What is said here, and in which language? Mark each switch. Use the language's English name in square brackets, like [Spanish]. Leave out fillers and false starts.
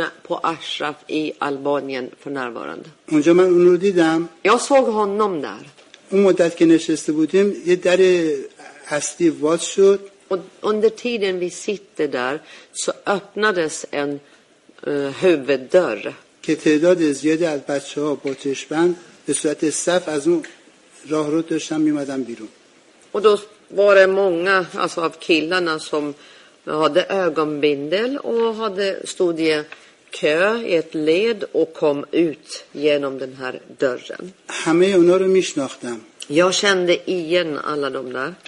[Swedish] är på Ashraf i Albanien för närvarande. [Persian] اونجا من اون رو دیدم. [Swedish] Jag såg honom där. [Persian] اون مدت که نشسته بودیم یه در اصلی باز شد. [Swedish] Under tiden vi sitter där så öppnades en huvuddörr. [Persian] که تعداد زیادی از بچه ها با چشمند به صورت صف از اون راه رو داشتن میمدن بیرون. [Swedish] Och då var det många alltså av killarna som hade ögonbindel och hade stod i kö i ett led och kom ut genom den här dörren. [Persian] همه اونا رو میشناختم. [Swedish] Jag kände igen alla de där.